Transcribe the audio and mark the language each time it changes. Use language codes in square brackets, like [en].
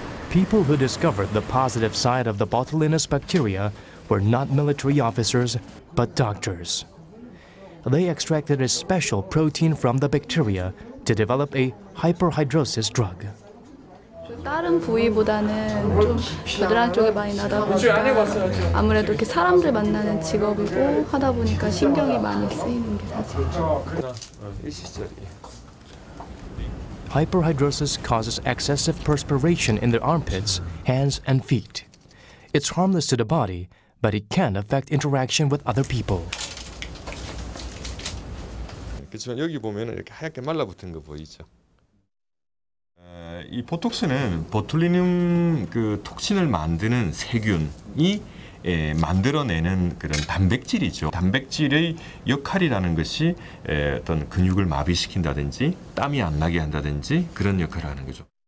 [en] People who discovered the positive side of the botulinus bacteria were not military officers, but doctors. They extracted a special protein from the bacteria to develop a hyperhidrosis drug. [ko] 다른 부위보다는 좀 겨드랑이 쪽에 많이 나다 보니까 아무래도 이렇게 사람들 만나는 직업이고 하다 보니까 신경이 많이 쓰이는 게 사실. [en] Hyperhidrosis causes excessive perspiration in the armpits, hands, and feet. It's harmless to the body, but it can affect interaction with other people. [ko] 그렇지만 여기 보면은 이렇게 하얗게 말라붙은 거 보이죠? 이 보톡스는 보툴리눔 그 톡신을 만드는 세균이 만들어내는 그런 단백질이죠. 단백질의 역할이라는 것이 어떤 근육을 마비시킨다든지 땀이 안 나게 한다든지 그런 역할을 하는 거죠.